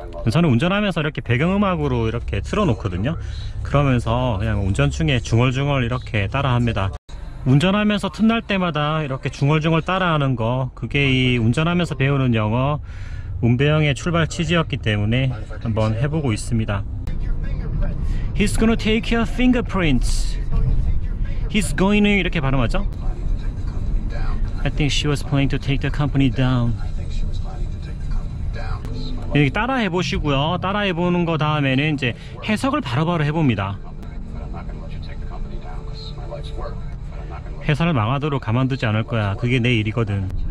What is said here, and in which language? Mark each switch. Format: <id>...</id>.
<ko>저는 운전하면서 이렇게 배경음악으로 이렇게 틀어놓거든요. 그러면서 그냥 운전 중에 중얼중얼 이렇게 따라합니다. 운전하면서 틈날 때마다 이렇게 중얼중얼 따라하는 거, 그게 이 운전하면서 배우는 영어 운배영의 출발 취지였기 때문에 한번 해보고 있습니다.</ko> <en>He's gonna take your fingerprints. He's going to</en> <ko>이렇게 발음하죠?</ko> <en>I think she was planning to take the company down.</en> <ko>이렇게 따라해 보시고요. 따라해 보는 거 다음에는 이제 해석을 바로바로 해봅니다. 회사를 망하도록 가만두지 않을 거야. 그게 내 일이거든.</ko>